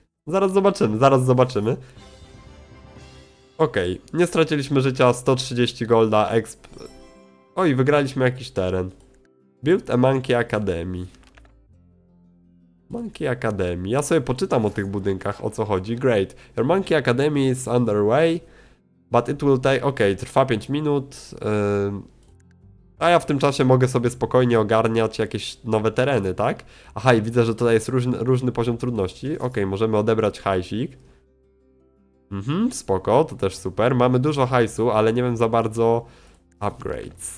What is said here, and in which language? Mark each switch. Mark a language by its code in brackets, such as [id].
[pl] Zaraz zobaczymy. Okej, okay. Nie straciliśmy życia, 130 golda, exp... Oj, wygraliśmy jakiś teren. [en] Build a Monkey Academy. Monkey Academy. [pl] Ja sobie poczytam o tych budynkach, o co chodzi. [en] Great. Your Monkey Academy is underway, but it will take... [pl] Okej, okay, trwa 5 minut. A ja w tym czasie mogę sobie spokojnie ogarniać jakieś nowe tereny, tak? Aha, i widzę, że tutaj jest różny poziom trudności. Okej, możemy odebrać hajsik. Spoko, to też super. Mamy dużo hajsu, ale nie wiem za bardzo... Upgrades.